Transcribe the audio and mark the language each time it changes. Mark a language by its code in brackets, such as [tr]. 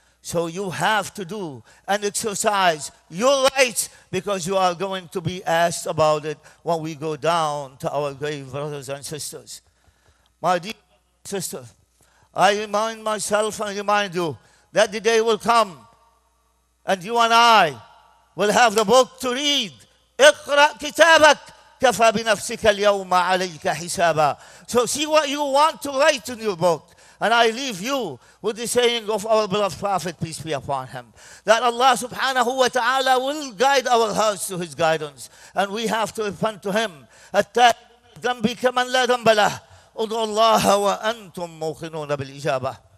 [en] So you have to do and exercise your rights because you are going to be asked about it when we go down to our grave brothers and sisters. My dear sister, I remind myself and remind you that the day will come and you and I will have the book to read. [ar] اقرأ كتابك كفى بنفسك اليوم عليك حسابا. [en] So see what you want to write in your book. And I leave you with the saying of our beloved Prophet, peace be upon him, that Allah subhanahu wa ta'ala will guide our hearts to his guidance. And we have to repent to him. [ar] التائب ذنبك من لا ذنب له. ادعوا الله وأنتم موقنون بالإجابة.